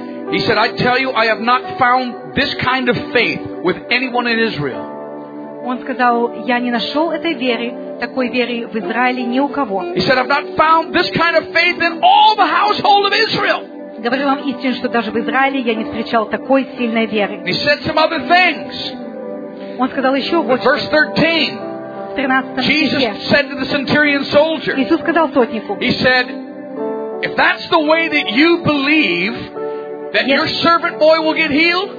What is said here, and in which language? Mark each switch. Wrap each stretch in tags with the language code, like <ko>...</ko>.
<en>He said, I tell you, I have not found this kind of faith with anyone in Israel.</en> <ru>Он сказал, я не нашел этой веры, такой веры в Израиле ни у кого.</ru> <en>He said, I've not found this kind of faith in all the household of Israel.</en> <ru>Говорю вам истину, что даже в Израиле я не встречал такой сильной веры.</ru> <en>He said some other things.</en> <ru>Он сказал еще вот.</ru> <en>Verse 13.</en> <ru>В 13 стихе.</ru> <en>Jesus said to the centurion soldier.</en> <ru>Иисус сказал сотнику.</ru> <en>He said, if that's the way that you believe, That your servant boy will get healed?</en>